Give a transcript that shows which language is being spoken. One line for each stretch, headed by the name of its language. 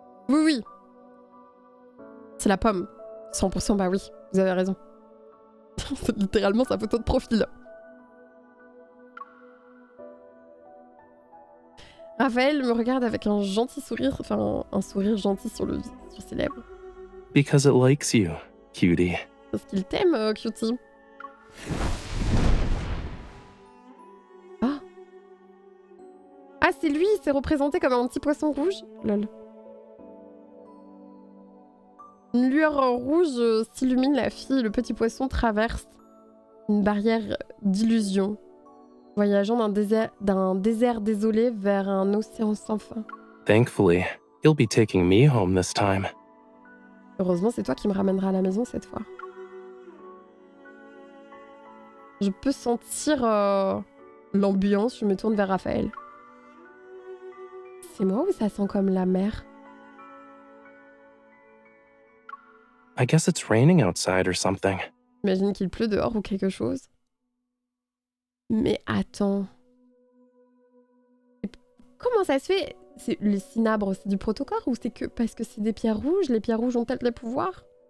French: Oui, oui. C'est la pomme. 100%, bah oui, vous avez raison. C'est littéralement sa photo de profil. Raphaël me regarde avec un gentil sourire, enfin un sourire gentil sur le sur ses lèvres.
English: Because it likes you, cutie.
French: Parce qu'il t'aime, cutie. Ah, c'est lui, il s'est représenté comme un petit poisson rouge. Lol. Une lueur rouge s'illumine la fille, le petit poisson traverse une barrière d'illusion, voyageant d'un désert désolé vers un océan sans fin.
English: Thankfully, you'll be taking me home this time.
French: Heureusement, c'est toi qui me ramèneras à la maison cette fois. Je peux sentir l'ambiance, je me tourne vers Raphaël. C'est moi ou ça sent comme la mer?
English: I guess it's raining outside or something.
French: J'imagine qu'il pleut dehors ou quelque chose. Mais attends. Comment ça se fait? C'est les cinabres, c'est du protocore ou c'est que parce que c'est des pierres rouges? Les pierres rouges ont-elles les pouvoirs?